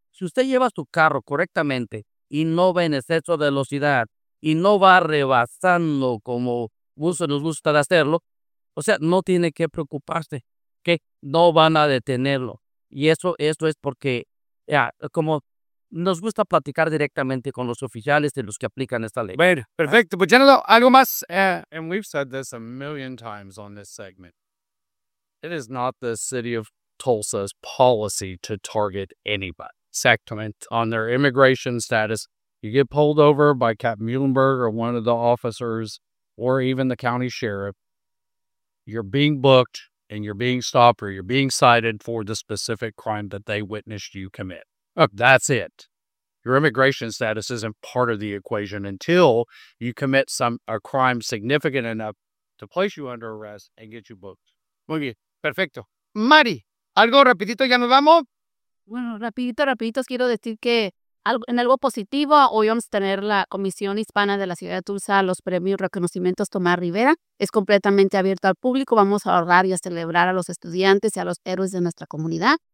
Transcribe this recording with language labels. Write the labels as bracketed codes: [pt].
[es] Si usted lleva su carro correctamente y no va en exceso de velocidad y no va rebasando como muchos nos gusta de hacerlo, o sea, no tiene que preocuparse que no van a detenerlo. Y eso es porque ya, como nos gusta platicar directamente con los oficiales de los que aplican esta ley. Bueno, perfecto. Pues, General, ¿algo más? [en] And we've said this a million times on this segment. It is not the city of Tulsa's policy to target anybody. [es] Exactamente. [en] On their immigration status, you get pulled over by Captain Muhlenberg or one of the officers or even the county sheriff, you're being booked and you're being stopped or you're being cited for the specific crime that they witnessed you commit. Okay. That's it. Your immigration status isn't part of the equation until you commit a crime significant enough to place you under arrest and get you booked. [es] Muy bien. Perfecto. Mari, ¿algo rapidito ya nos vamos? Bueno, rapidito quiero decir que en algo positivo, hoy vamos a tener la Comisión Hispana de la Ciudad de Tulsa, los premios reconocimientos Tomás Rivera. Es completamente abierto al público. Vamos a honrar y a celebrar a los estudiantes y a los héroes de nuestra comunidad.